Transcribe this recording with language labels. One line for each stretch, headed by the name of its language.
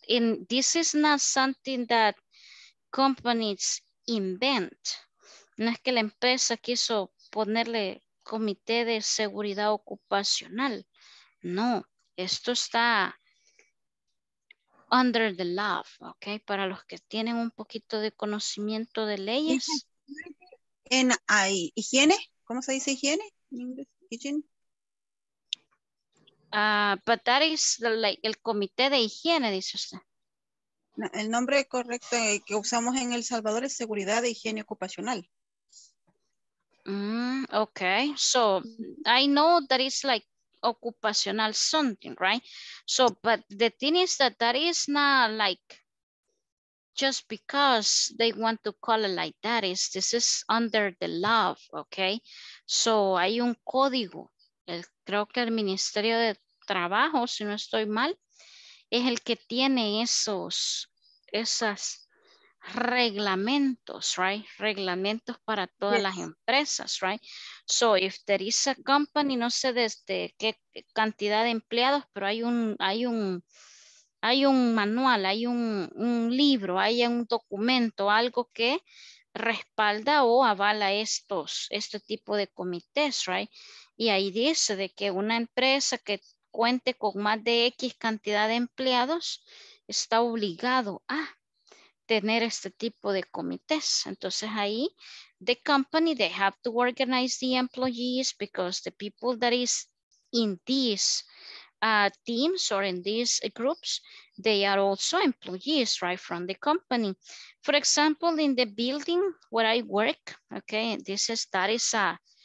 English: And this is not something that companies invent.
Spanish: No es que la empresa quiso ponerle comité de seguridad ocupacional. No, esto está...
English: under the law, okay?
Spanish: Para los que tienen un poquito de conocimiento de leyes. En ahí, higiene, ¿cómo se dice higiene?
English: But that is like
Spanish: el comité de higiene, dice usted. No, el nombre correcto que usamos en El Salvador es seguridad e higiene ocupacional.
English: Okay, so I know that it's like occupational something, right? So, but the thing is that that is not like just because they want to call it like that. Is this is under the law, okay? So
Spanish: hay un código. Creo que el Ministerio de Trabajo, si no estoy mal, es el que tiene esos reglamentos, right? Reglamentos para todas las empresas, right?
English: So if there is a company,
Spanish: no sé desde qué cantidad de empleados, pero hay un manual, hay un libro, hay un documento, algo que respalda o avala estos, este tipo de comités, right? Y ahí dice de que una empresa que cuente con más de X cantidad de empleados está obligado a tener este tipo de comités. Entonces ahí,
English: the company, they have to organize the employees because the people that is in these teams or in these groups, they are also employees, right, from the company. For example, in the building where I work, okay, this is, that is a